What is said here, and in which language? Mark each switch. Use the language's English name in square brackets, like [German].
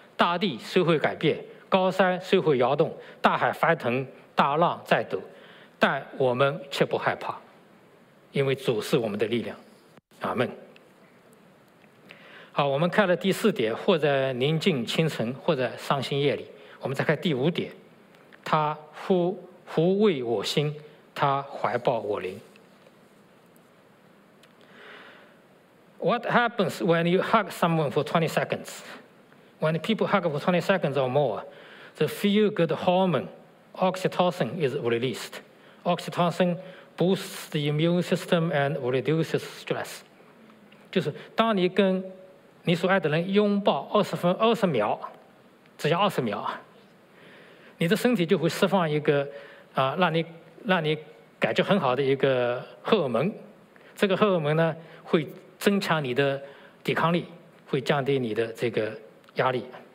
[Chinese] 大地虽会改变，高山虽会摇动，大海翻腾，大浪在抖，但我们却不害怕，因为主是我们的力量。阿们。好，我们看了第四点，或者宁静清晨，或者伤心夜里。我们再看第五点，他抚慰我心，他怀抱我灵。 [English] What happens when you hug someone for 20 seconds? When people hug for 20 seconds or more, the feel-good hormone, oxytocin, is released. Oxytocin boosts the immune system and reduces stress. [Chinese] 就是当你跟你所爱的人拥抱20秒，只要20秒，你的身体就会释放一个让你感觉很好的一个荷尔蒙。这个荷尔蒙呢会增强你的抵抗力，会降低你的这个压力。